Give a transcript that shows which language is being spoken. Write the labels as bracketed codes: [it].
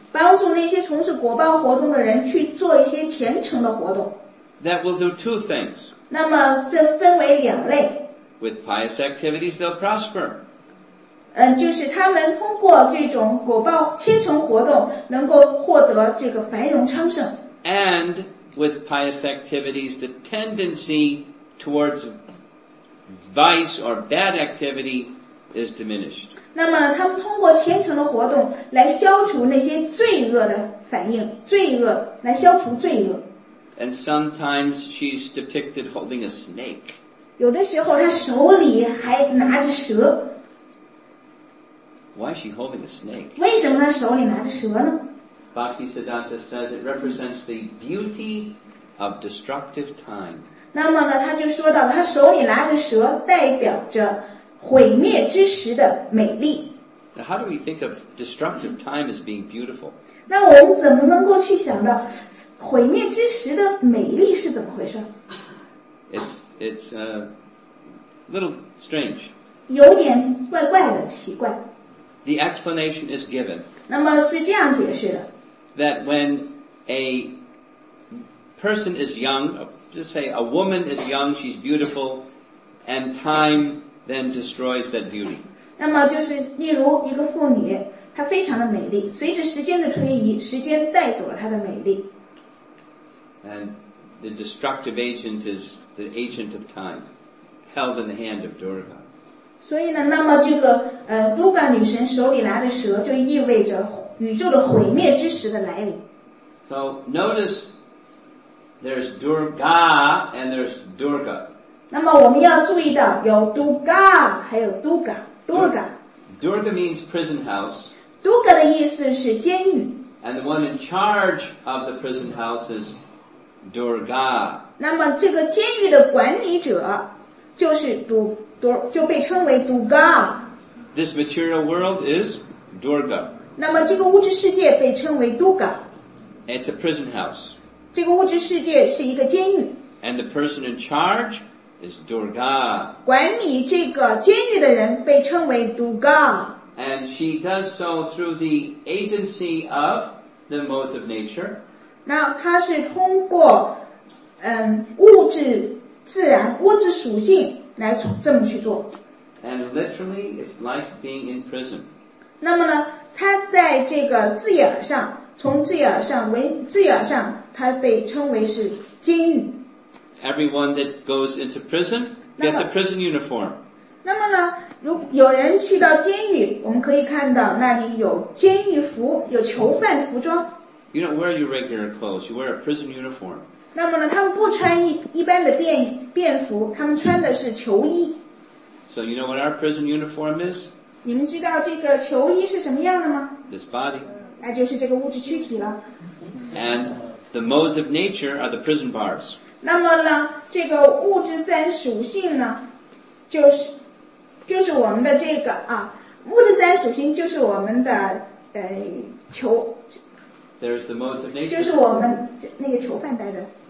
[zh] 帮助那些从事果报活动的人去做一些虔诚的活动。 [en] That will do two things. [zh] 那么这分为两类。 [en] With pious activities, they'll prosper. [zh] 就是他们通过这种果报虔诚活动能够获得这个繁荣昌盛。 [en] And with pious activities, the tendency towards vice or bad activity is diminished. [zh] 那么他们通过虔诚的活动来消除那些罪恶的反应，罪恶来消除罪恶。 [en] And sometimes she's depicted holding a snake. [zh] 有的时候她手里还拿着蛇。 [en] Why is she holding a snake? [zh] 为什么她手里拿着蛇呢？ [en] Bhaktisiddhanta says it represents the beauty of destructive time. [zh] 那么呢，他就说到了，他手里拿着蛇，代表着毁灭之时的美丽。 [en] Now, how do we think of destructive time as being beautiful? [zh] 那我们怎么能够去想到毁灭之时的美丽是怎么回事？ [en] It's a little strange. [zh] 有点怪怪的，奇怪。 [en] The explanation is given. [zh] 那么是这样解释的。 [en] That when a person is young, just say a woman is young, she's beautiful, and time then destroys that beauty. [zh] 那么就是例如一个妇女，她非常的美丽，随着时间的推移，时间带走了她的美丽。 [en] And the destructive agent is the agent of time, held in the hand of Durga. [zh] 所以呢，那么这个卢嘎女神手里拿的蛇，就意味着宇宙的毁灭之时的来临。 [en] So notice there's Durga and there's Durga. [zh] 那么我们要注意到有 Durga 还有 Durga。Durga. [en] Durga means prison house. [zh] Durga 的意思是监狱。 [en] And the one in charge of the prison house is Durga. [zh] 那么这个监狱的管理者就是 就被称为 Durga. [en] This material world is Durga. [zh] 那么这个物质世界被称为 Durga. [en] It's a prison house. [zh] 这个物质世界是一个监狱。 [en] And the person in charge. Is Durga. [zh] 管理这个监狱的人被称为 Durga. [en] And she does so through the agency of the modes of nature. [zh] 那她是通过物质自然物质属性来这么去做。 [en] And literally, it's like being in prison. [zh] 那么呢，她在这个字眼上，从字眼上为字眼上，她被称为是监狱。 [en] Everyone that goes into prison gets a prison uniform. [zh] 那么呢，如有人去到监狱，我们可以看到那里有监狱服，有囚犯服装。 [en] You don't wear your regular clothes. You wear a prison uniform. [zh] 那么呢，他们不穿一般的便服，他们穿的是囚衣。 [en] So you know what our prison uniform is? [zh] 你们知道这个囚衣是什么样的吗 [en] ？This body. [zh] 那就是这个物质躯体了。 [en] And the modes of nature are the prison bars. [zh] 那么呢，这个物质自然属性呢，就是我们的这个啊，物质自然属性就是我们的囚。 [en] There's the modes of nature. [zh] 就是我们那个囚犯待的。